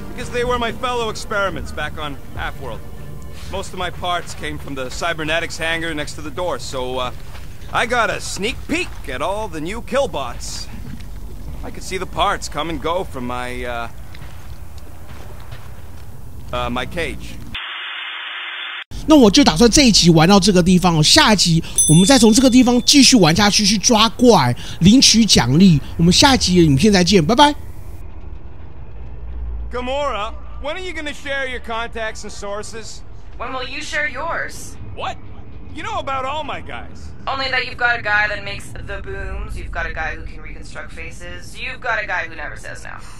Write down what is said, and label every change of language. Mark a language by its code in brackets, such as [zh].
[en] Because they were my fellow experiments back on Half-World. Most of my parts came from the cybernetics hangar next to the door, so I got a sneak peek at all the new killbots. I could see the parts come and go from my, my cage. [zh] 那我就打算这一集玩到这个地方哦，下一集我们再从这个地方继续玩下去，去抓怪，领取奖励。我们下一集的影片再见，拜拜。 [en] Gamora, when are you going to share your contacts and sources? When will you share yours? What? You know about all my guys. Only that you've got a guy that makes the booms, you've got a guy who can reconstruct faces, you've got a guy who never says no.